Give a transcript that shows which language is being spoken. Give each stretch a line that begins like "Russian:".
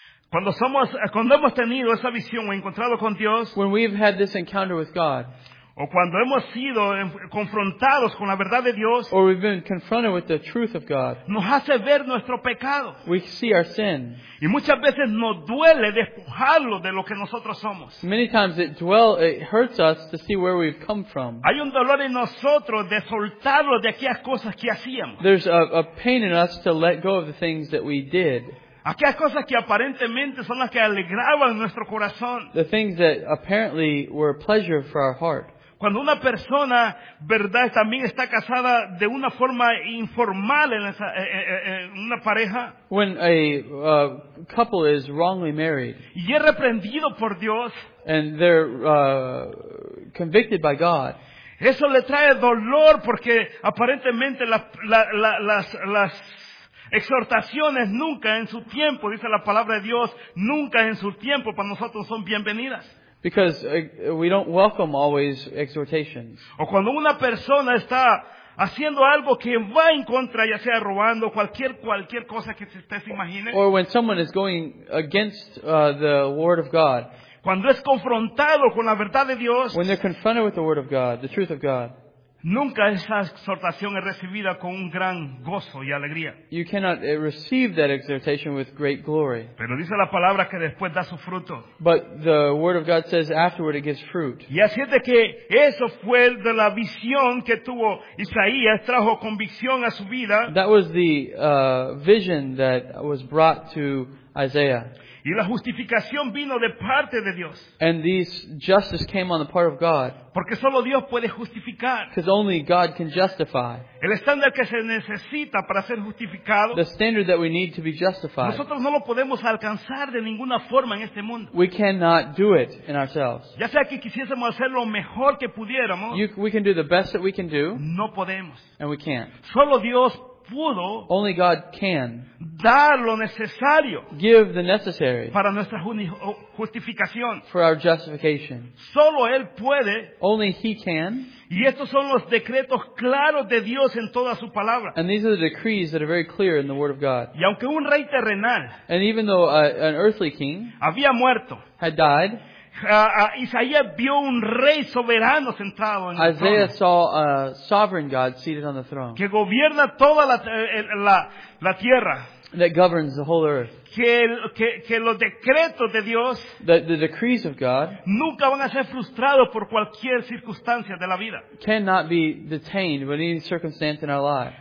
Spanish: Cuando hemos tenido esa visión o encontrado con Dios.
English: When we've had this encounter with God.
Spanish: O cuando hemos sido confrontados con la verdad de Dios,
English: or we've been confronted with the truth of God,
Spanish: nos hace ver nuestro pecado.
English: We see our sin.
Spanish: Y muchas veces nos duele despojarlo de lo que nosotros somos.
English: Many times it hurts us to see where we've come from.
Spanish: Hay un dolor en nosotros de soltarlo de aquellas cosas que hacíamos.
English: There's a pain in us to let go of the things that we did.
Spanish: Aquellas cosas que aparentemente son las que alegraban nuestro corazón.
English: The things that apparently were pleasure for our heart.
Spanish: Cuando una persona, verdad, también está casada de una forma informal en esa una pareja.
English: When a couple is wrongly married.
Spanish: Y es reprendido por Dios.
English: And they're convicted by God.
Spanish: Eso le trae dolor porque aparentemente las exhortaciones nunca en su tiempo, dice la palabra de Dios, nunca en su tiempo para nosotros son bienvenidas.
English: Because we don't welcome always exhortations.
Spanish: O cuando una persona está haciendo algo que va en contra, ya sea robando cualquier cosa que usted se imagine.
English: Or when someone is going against the word of God.
Spanish: Cuando es confrontado con la verdad de Dios.
English: When they're confronted with the word of God, the truth of God.
Spanish: Nunca esa exhortación es recibida con un gran gozo y alegría.
English: You cannot receive that exhortation with great glory.
Spanish: Pero dice la palabra que después da su fruto.
English: But the word of God says afterward it gives fruit.
Spanish: Y así es de que eso fue de la visión que tuvo Isaías, trajo convicción a su vida.
English: That was the vision that was brought to Isaiah.
Spanish: Y la justificación vino de parte de Dios.
English: And this justice came on the part of God.
Spanish: Porque solo Dios puede justificar.
English: Because only God can justify.
Spanish: El estándar que se necesita para ser justificado.
English: The standard that we need to be justified.
Spanish: Nosotros no lo podemos alcanzar de ninguna forma en este mundo.
English: We cannot do it in ourselves.
Spanish: Ya sea que quisiésemos hacer lo mejor que pudiéramos.
English: We can do the best that we can do.
Spanish: No podemos.
English: And we can't.
Spanish: Solo Dios pudo,
English: only God can,
Spanish: dar lo necesario,
English: give the necessary,
Spanish: para nuestra justificación,
English: for our justification.
Spanish: Solo él puede,
English: only he can.
Spanish: Y estos son los decretos claros de Dios en toda su palabra.
English: And these are the decrees that are very clear in the word of God.
Spanish: Y aunque un rey terrenal,
English: and even though an earthly king,
Spanish: había muerto,
English: had died,
Spanish: Isaías vio un rey soberano sentado en el trono.
English: Isaiah saw a sovereign God seated on the throne.
Spanish: Que gobierna toda la tierra.
English: That governs the whole earth.
Spanish: Que los decretos de Dios,
English: the decrees of God,
Spanish: nunca van a ser frustrados por cualquier circunstancia de la vida.
English: Cannot be detained by any circumstance in our life.